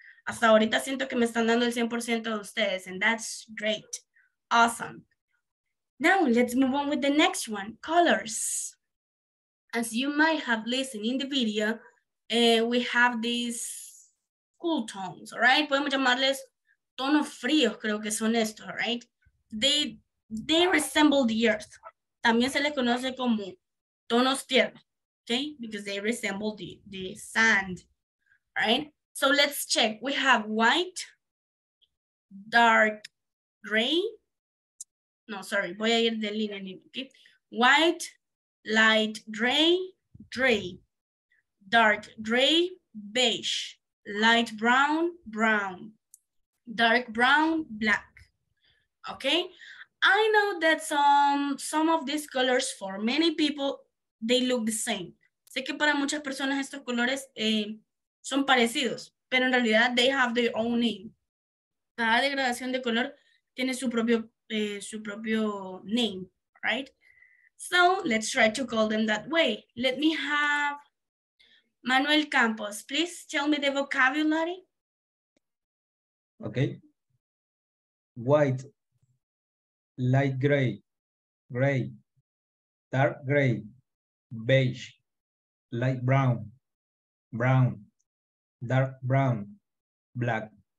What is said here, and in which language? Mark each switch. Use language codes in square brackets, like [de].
[es] Hasta ahorita siento que me están dando el 100% de ustedes, [en] and that's great. Awesome. Now let's move on with the next one, colors. As you might have listened in the video, we have these cool tones, all right? [es] Podemos llamarles tonos fríos, creo que son estos, all right? [en] They resemble the earth. [es] También se les conoce como tonos tierra, okay? [en] Because they resemble the sand, all right? So let's check. We have white, dark gray. No, sorry, [es] voy a ir de línea, okay? [en] White, light gray, gray. Dark gray, beige. Light brown, brown. Dark brown, black. Okay? I know that some of these colors, for many people, they look the same. [es] Sé que para muchas personas estos colores son parecidos, pero en realidad [en] they have their own name. [es] Cada degradación de color tiene su propio name, right? [en] So let's try to call them that way. Let me have Manuel Campos. Please tell me the vocabulary. Okay. White, light gray, gray, dark gray, beige, light brown, brown, dark brown, black.